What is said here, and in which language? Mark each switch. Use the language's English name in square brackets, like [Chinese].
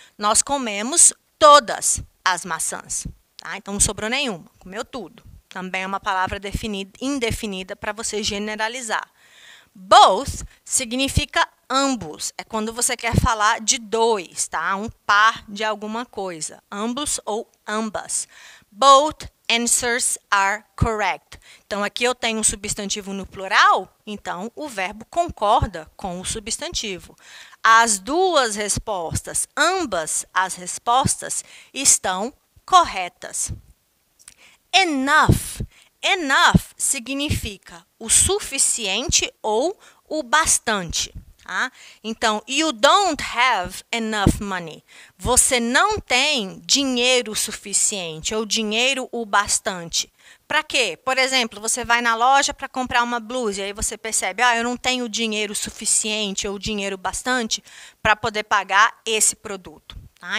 [Portuguese] Nós comemos todas as maçãs, tá? Então não sobrou nenhuma, comeu tudo. Também é uma palavra indefinida para você generalizar. Both significa ambos, é quando você quer falar de dois, tá? Um par de alguma coisa, ambos ou ambas. [English] Both answers are correct. [Portuguese] Então, aqui eu tenho um substantivo no plural, então o verbo concorda com o substantivo. As duas respostas, ambas as respostas, estão corretas. Enough. Enough significa o suficiente ou o bastante. Tá? [English] Então, you don't have enough money. [Portuguese] Você não tem dinheiro suficiente ou dinheiro o bastante. Para quê? Por exemplo, você vai na loja para comprar uma blusa e aí você percebe, ah, eu não tenho dinheiro suficiente ou dinheiro bastante para poder pagar esse produto. Tá?